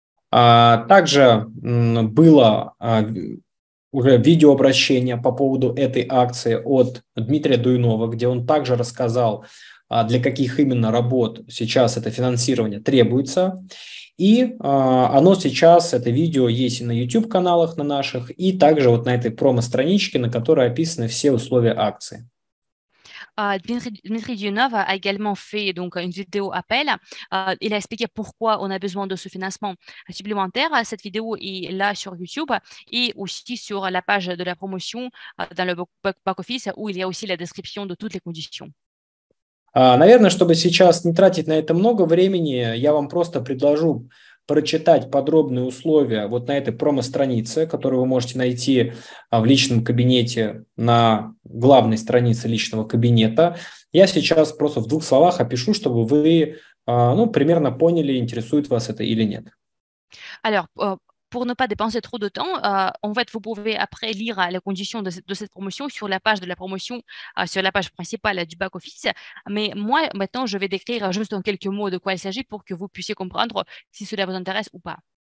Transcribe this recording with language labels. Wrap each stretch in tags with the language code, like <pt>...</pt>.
<ru>Также было уже видеообращение по поводу этой акции от Дмитрия Дуйнова, где он также рассказал, для каких именно работ сейчас это финансирование требуется. И оно сейчас, это видео, есть и на YouTube-каналах на наших, и также вот на этой промо-страничке, на которой описаны все условия акции.</ru> <fr>Дмитрий Дюнов a également fait donc une vidéo appel. Il a expliqué pourquoi on a besoin de ce financement supplémentaire. Cette vidéo est là sur YouTube et aussi sur la page de la promotion dans le back office où il y a aussi la description de toutes les conditions.</fr> <ru>Наверное, чтобы сейчас не тратить на это много времени, я вам просто предложу прочитать подробные условия вот на этой промо-странице, которую вы можете найти в личном кабинете на главной странице личного кабинета. Я сейчас просто в двух словах опишу, чтобы вы, ну, примерно поняли, интересует вас это или нет.</ru> <fr>Alors, pour ne pas dépenser trop de temps, en fait, vous pouvez après lire les conditions de cette promotion sur la page de la promotion, sur la page principale du back-office. Mais moi, maintenant, je vais décrire juste en quelques mots de quoi il s'agit pour que vous puissiez comprendre si cela vous intéresse ou pas.</fr>